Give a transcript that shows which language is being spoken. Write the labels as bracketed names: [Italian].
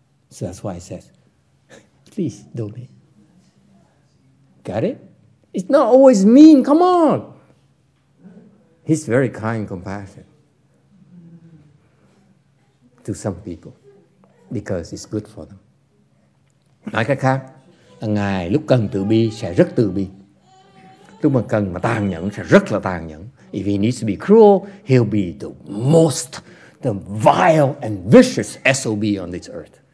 [English] So that's why it says, please donate. Got it? It's not always mean. Come on. He's very kind, compassionate to some people because it's good for them. [Vietnamese] Nói cách khác, Ngài lúc cần từ bi sẽ rất từ bi. Lúc mà cần mà tàn nhẫn sẽ rất là tàn nhẫn. [English] If he needs to be cruel, he'll be the most, the vile and vicious SOB on this earth.